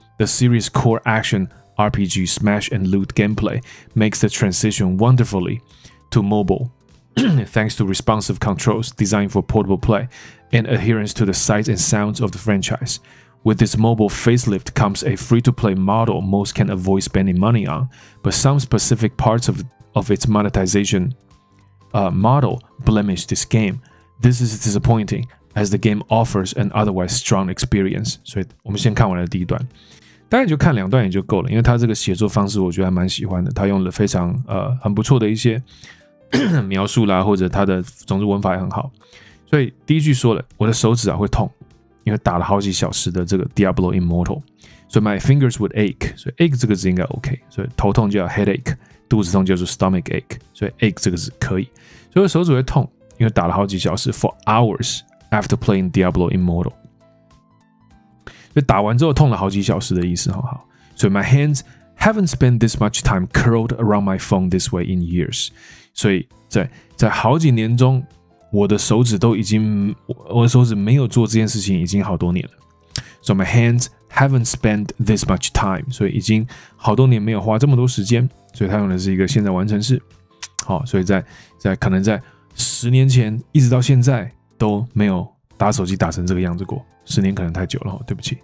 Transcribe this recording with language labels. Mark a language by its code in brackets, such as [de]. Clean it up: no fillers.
[en] The series' core action RPG smash and loot gameplay makes the transition wonderfully to mobile, thanks to responsive controls designed for portable play and adherence to the sights and sounds of the franchise. With this mobile facelift comes a free-to-play model most can avoid spending money on, but some specific parts of its monetization model blemish this game. This is disappointing, as the game offers an otherwise strong experience. [zh] 所以我们先看完了第一段，大概就看两段也就够了，因为他这个写作方式我觉得还蛮喜欢的，他用了非常很不错的一些描述啦，或者他的总之文法也很好。所以第一句说了，我的手指啊会痛。因为打了好几小时的这个 Diablo Immortal， 所以 [en] my fingers would ache， [zh] 所以 ache 这个字应该 OK， 所以头痛叫 headache， 肚子痛叫做 stomach ache， 所以 ache 这个字可以。所以手指会痛，因为打了好几小时 [en] for hours after playing Diablo Immortal， [zh] 所以打完之后痛了好几小时的意思，好好。 [en] 所以 my hands haven't spent this much time curled around my phone this way in years， [zh] 所以在好几年中。我的手指都已经，我的手指没有做这件事情已经好多年了。 [en] So my hands haven't spent this much time， [zh] 所以已经好多年没有花这么多时间，所以他用的是一个现在完成式。好，所以在可能在十年前一直到现在都没有打手机打成这个样子过，十年可能太久了，对不起。